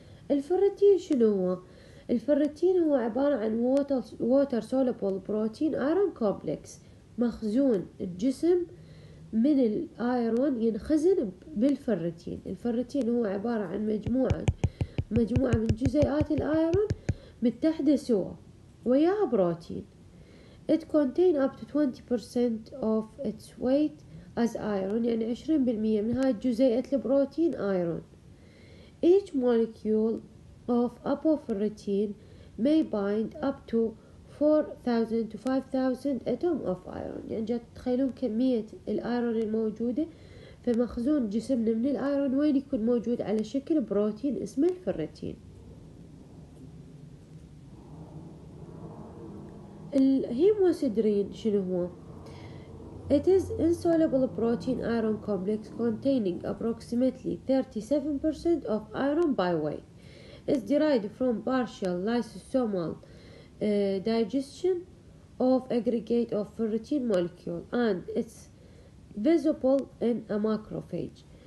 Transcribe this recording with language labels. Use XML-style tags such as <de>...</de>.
<ar>الفيريتين شنو هو؟ الفيريتين هو عباره عن ووتر سولوبل بروتين ايرون كومبلكس، مخزون الجسم من الايرون ينخزن بالفيريتين. الفيريتين هو عباره عن مجموعه من جزيئات الايرون متحده سوا ويا بروتين.</ar> <en>It contain up to 20% of its weight as iron،</en> <ar>يعني 20% من هاي الجزيئات البروتين ايرون.</ar> <en>Each molecule of apoferritin may bind up to 4,000 to 5,000 atom of iron.</en> <ar>يعني جات تخيلون كمية الايرون الموجودة في مخزون جسمنا من الايرون وين يكون موجود على شكل بروتين اسمه الفيريتين. الهيموسيدرين شنو هو؟</ar> <en>It is insoluble protein iron complex containing approximately 37% of iron by weight. It's derived from partial lysosomal digestion of aggregate of ferritin molecule and it's visible in a macrophage.</en>